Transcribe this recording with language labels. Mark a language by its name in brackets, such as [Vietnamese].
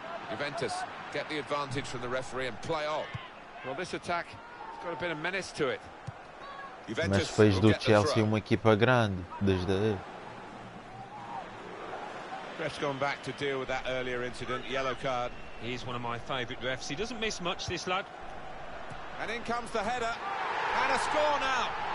[English] Juventus, get the advantage from the referee and play on. Well, this attack. Got a bit of menace to it. Juventus. [Portuguese] Mas fez do Chelsea uma equipa grande desde aí. [English] Refs gone back to deal with that earlier incident. Yellow card. He's one of my favourite refs. He doesn't miss much, this lad. And in comes the header. And a score now.